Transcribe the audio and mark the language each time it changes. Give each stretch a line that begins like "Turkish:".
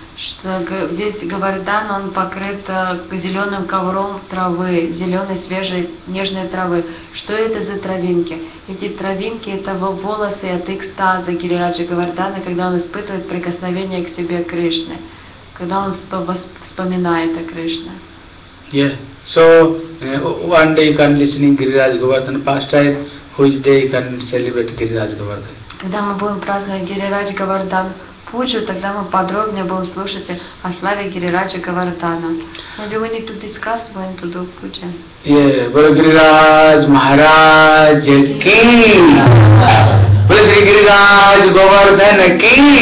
Russian: Что здесь Говардан, он покрыт зеленым ковром травы, зеленой свежей нежной травы. Что это за травинки? Эти травинки — это волосы от экстаза Гирираджи Говардана, когда он испытывает прикосновение к себе Кришне. Когда он вспоминает о Кришне.
English: Yeah. So, one day you can listen to Giriraj Govardhan pastime, which day you can celebrate Giriraj Govardhan.
Russian: Когда мы будем праздновать Гирирадж Говардан Пуджу, тогда мы подробнее будем слушать о славе Гирираджа Говардана.
English: Maybe we need to discuss when to do Пуджа.
Russian: Yeah. Гирирадж Махарадж Ки! Прости Гирирадж Говардан Ки!